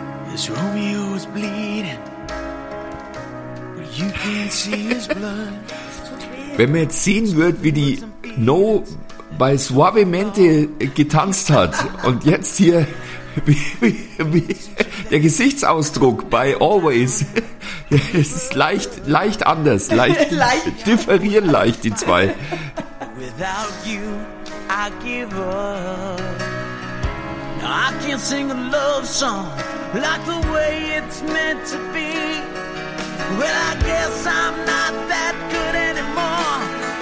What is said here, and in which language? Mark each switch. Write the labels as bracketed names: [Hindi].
[English] This Romeo is bleeding, but you can't see his blood. [German] Wenn man jetzt sehen wird, wie die No bei Suavemente getanzt hat und jetzt hier wie der Gesichtsausdruck bei Always, es ist leicht anders, leicht differieren leicht die zwei. [English] Without you, I give up. I can't sing a love song like the way it's meant to be. Well, I guess I'm not that good anymore.